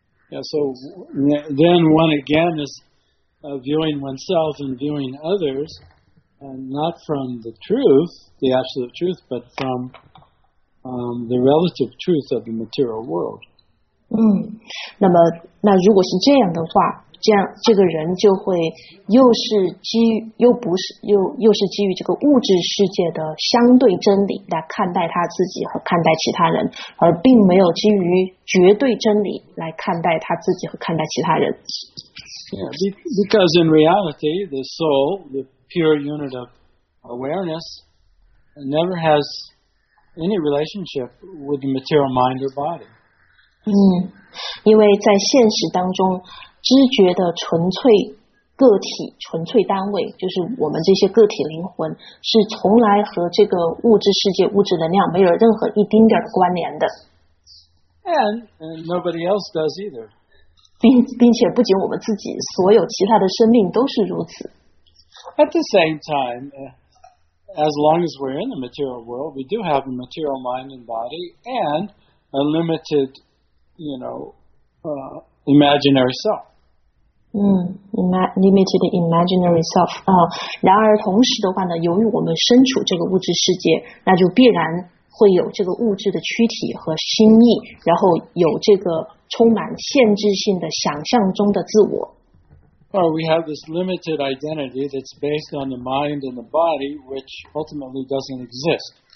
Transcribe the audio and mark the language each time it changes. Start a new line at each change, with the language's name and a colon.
English: Yeah, so then one again is viewing oneself and viewing others, and not from the truth, the absolute truth, but from the relative truth of the material world.
Chinese: 那如果是这样的话，这样这个人就会又是基于又不是又是基于这个物质世界的相对真理来看待他自己和看待其他人，而并没有基于绝对真理来看待他自己和看待其他人。
English: Yeah, because in reality, the soul, the pure unit of awareness, never has any relationship with the material mind or body.
Chinese: 因为在现实当中。知觉的纯粹个体纯粹单位就是我们这些个体灵魂是从来和这个物质世界物质能量没有任何一丁点的关联的
English: and nobody else does either
Chinese: 并且不仅我们自己所有其他的生命都是如此
English: at the same time as long as we're in the material world we do have a material mind and body and a limited you know imaginary self. Limited imaginary self.
Chinese: 然而同时的话呢，由于我们身处这个物质世界，那就必然会有这个物质的躯体和心意，然后有这个充满限制性的想象中的自我。
English: Well, we have this limited identity that's based on the mind and the body, which ultimately doesn't exist.